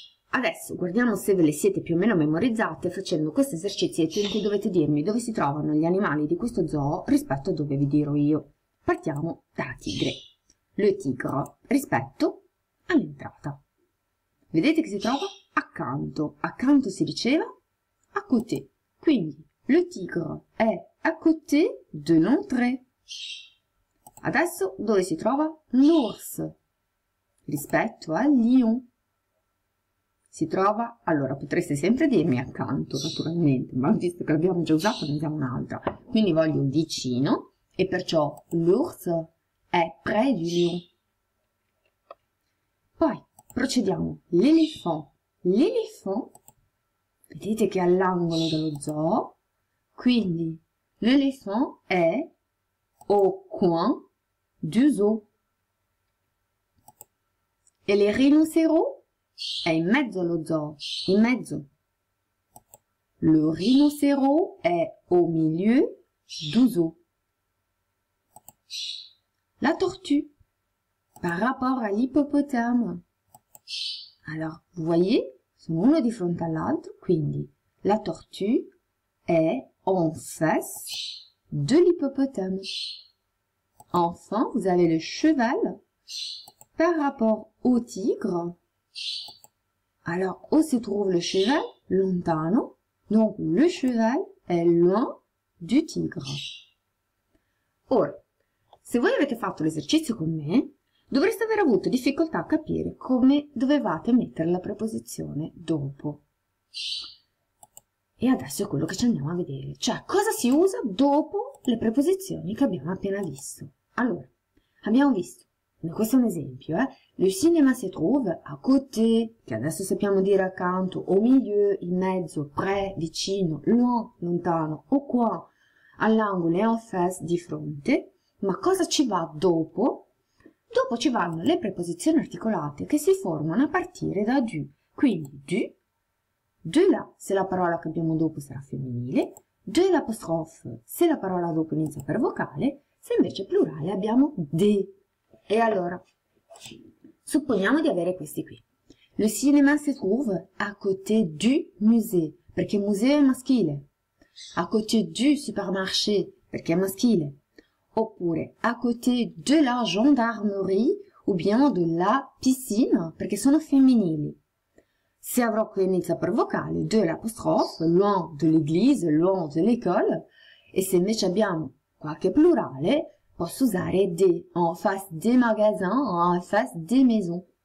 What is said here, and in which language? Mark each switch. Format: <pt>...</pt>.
<it>Adesso guardiamo se ve le siete più o meno memorizzate facendo questi esercizi e quindi dovete dirmi dove si trovano gli animali di questo zoo rispetto a dove vi dirò io. Partiamo dalla tigre. Le tigre rispetto all'entrata. Vedete che si trova accanto. Accanto si diceva a côté.</it> <fr>Quindi, le tigre è à côté de l'entrée.</fr> <it>Adesso dove si trova l'ours? Rispetto al lion. Si trova, allora potreste sempre dirmi accanto, naturalmente, ma visto che l'abbiamo già usato, ne diamo un'altra. Quindi voglio vicino e perciò</it> <fr>l'ours</fr> <it>è</it> <fr>près du lion.</fr> <it>Poi procediamo. L'éléphant. L'éléphant, vedete che è all'angolo dello zoo.</it> <fr>Quindi, l'éléphant è au coin du zoo.</fr> <it>E le rhinocéros è in mezzo allo zoo, in mezzo.</it> <fr>Le rhinocéros è au milieu du zoo. La tortue, par rapport à l'hippopotame.</fr> <it>Allora,</it> <fr>vous voyez,</fr> <it>sono uno di fronte all'altro, quindi</it> <fr>la tortue</fr> <it>è</it> <fr>en face de l'hippopotame. Enfin, vous avez le cheval par rapport au tigre. Alors, où se trouve le cheval? Lontano. Donc, le cheval est loin du tigre.</fr> <it>Ora, se voi avete fatto l'esercizio con me, dovreste aver avuto difficoltà a capire come dovevate mettere la preposizione dopo. E adesso è quello che ci andiamo a vedere. Cioè, cosa si usa dopo le preposizioni che abbiamo appena visto? Allora, abbiamo visto, questo è un esempio,</it> <fr>Le cinema se trouve à côté,</fr> <it>che adesso sappiamo dire accanto, au milieu, in mezzo, près, vicino, loin, lontano, o qua, all'angolo e en face, di fronte. Ma cosa ci va dopo? Dopo ci vanno le preposizioni articolate che si formano a partire da du. Quindi du, de là, se la parola che abbiamo dopo sarà femminile, de l'apostrophe, se la parola dopo inizia per vocale, se invece plurale abbiamo de. E allora, supponiamo di avere questi qui.</it> <fr>Le cinéma se trouve à côté du musée,</fr> <it>perché museo è maschile.</it> <fr>À côté du supermarché,</fr> <it>perché è maschile. Oppure,</it> <fr>à côté de la gendarmerie, ou bien de la piscine,</fr> <it>perché sono femminili. Se avrò qui inizia per vocale,</it> <fr>de l'apostrophe, loin de l'église, loin de l'école,</fr> <it>e se invece abbiamo qualche plurale, posso usare</it> <fr>des, en face des magasins, en face des maisons.</fr>